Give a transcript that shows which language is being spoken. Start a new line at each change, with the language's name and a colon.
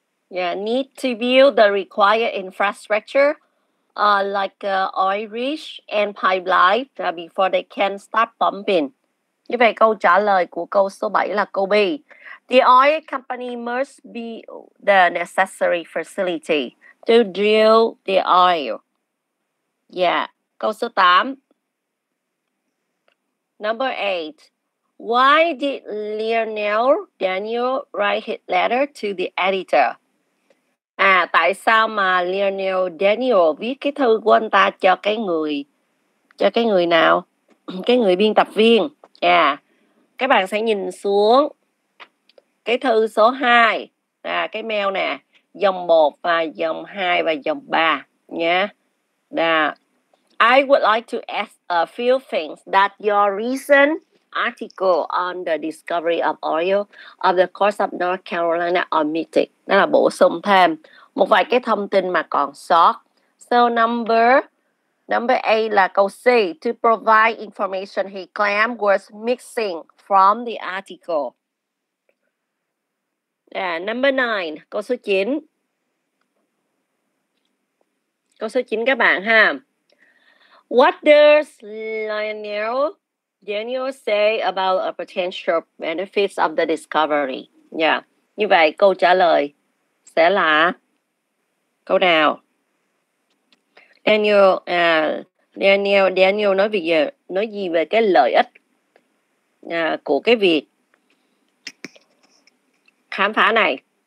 English: Need to build the required infrastructure, like oil rig and pipeline, before they can start pumping.
Vietnamese: Như vậy câu trả lời của câu số 7 là câu B.
English: The oil company must build the necessary facility to drill the oil.
Vietnamese: Câu số 8.
English: Number 8. Why did Lionel Daniel write his letter to the editor?
Vietnamese: À, tại sao mà Lionel Daniel viết cái thư của anh ta cho cái người nào? Cái người biên tập viên. Các bạn sẽ nhìn xuống cái thư số 2, cái mail nè, dòng 1 và dòng 2 và dòng 3 nha.
English: I would like to ask a few things that your recent article on the discovery of oil of the coast of North Carolina omitted.
Vietnamese: Đó là bổ sung thêm một vài cái thông tin mà còn sót.
English: So number A là câu C, to provide information he claimed was missing from the article. Number 9,
Vietnamese: câu số 9. Câu số 9 các bạn ha.
English: What does Lionel Daniel say about a potential benefits of the discovery?
Vietnamese: Như vậy câu trả lời sẽ là câu nào? Daniel nói gì về cái lợi ích của cái việc khám phá này?